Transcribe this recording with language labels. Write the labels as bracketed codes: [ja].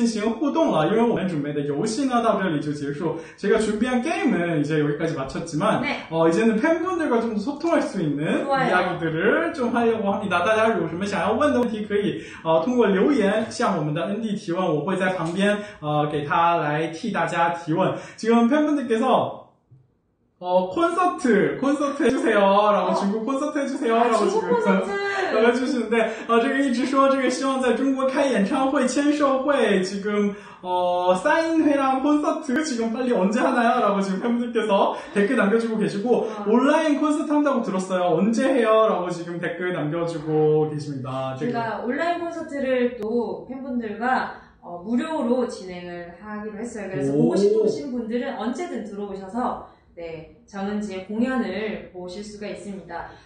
[zh] 来这样接下来的时间呢我们就想要和大家这个更多的进行互动了因为我们准备的游戏呢到这里就结束 [ko] 제가 준비한 게임은 이제 여기까지 마쳤지만 네. 이제는 팬분들과 좀 소통할 수 있는 좋아요. 이야기들을 좀 하려고 합니다. [zh] 大家如果什么想要问的问题可以通过留言向我们的恩地提问我会在旁边给他来 替大家提问 [ko] 지금 팬분들께서 콘서트 해주세요 라고 중국 콘서트 해주세요 라고 지금 해주시는데 [zh] 这个一直说这个希望在中国开演唱会签售会 [ko] 지금 사인회랑 콘서트 지금 빨리 언제 하나요? 라고 지금 팬분들께서 댓글 남겨주고 계시고 온라인 콘서트 한다고 들었어요. 언제 해요? 라고 지금 댓글 남겨주고 계십니다. 제가 온라인 콘서트를 또 팬분들과 무료로 진행을 하기로 했어요. 그래서 보고 싶으신 분들은 언제든 들어오셔서 네, 정은지의 공연을 보실 수가 있습니다.